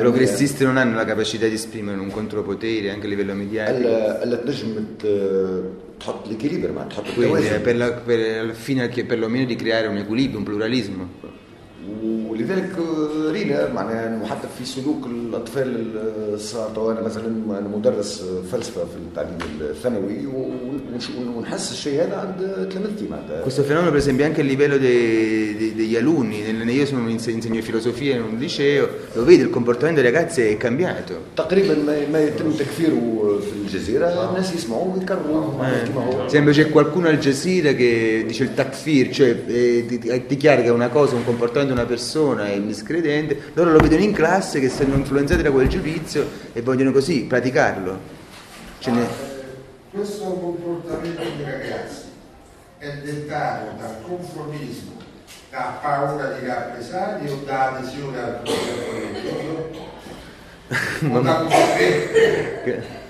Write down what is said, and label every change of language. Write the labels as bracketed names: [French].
[Italian] I progressisti non hanno la capacità di esprimere un contropotere anche a livello mediatico. [Arabic] Alla تنجم تحط الإكيليبر معناها تحط التوازن. [Italian] Per la fine che perlomeno di creare un equilibrio, un pluralismo. [Arabic] ولذلك رينا معناها حتى في سلوك الاطفال الصغار تو انا مثلا انا مدرس فلسفه في التعليم الثانوي ونحس الشيء هذا عند تلامذتي معناتها. [Italian] Questo fenomeno per esempio anche a livello degli alunni, io sono insegno filosofia in un liceo, lo vedo il comportamento dei ragazzi è cambiato. [Arabic] تقريبا ما يتم تكفيره في الجزيره الناس يسمعوا ويكرروا كما هو. [Italian] Sembra c'è qualcuno al Jazeera che dice il takfir, cioè dichiara che una cosa, un comportamento di una persona persona e miscredente, loro lo vedono in classe che sono influenzati da quel giudizio e vogliono così praticarlo. Questo comportamento dei ragazzi è dettato dal conformismo, da paura di rappresaglie o da adesione al comportamento religioso?